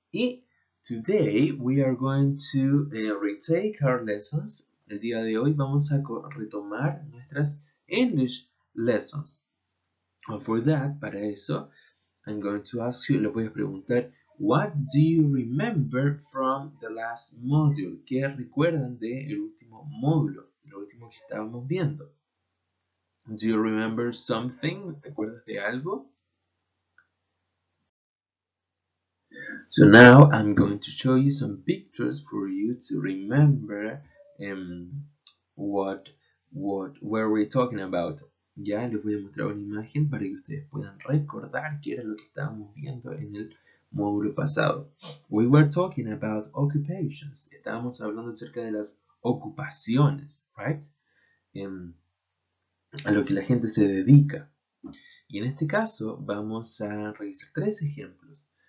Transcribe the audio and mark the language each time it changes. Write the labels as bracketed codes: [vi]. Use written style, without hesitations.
[en] Y today we are going to retake our lessons. [es] El día de hoy vamos a retomar nuestras [en] English lessons. And for that, [es] para eso, [en] I'm going to ask you, [es] les voy a preguntar, [en] what do you remember from the last module? [es] ¿Qué recuerdan del último módulo? Lo último que estábamos viendo. [en] Do you remember something? [es] ¿Te acuerdas de algo? [en] So now I'm going to show you some pictures for you to remember what were we talking about. [es] Ya les voy a mostrar una imagen para que ustedes puedan recordar qué era lo que estábamos viendo en el módulo pasado. [en] We were talking about occupations. [es] Estábamos hablando acerca de las ocupaciones, [en] right? [es] A lo que la gente se dedica. Y en este caso vamos a revisar tres ejemplos.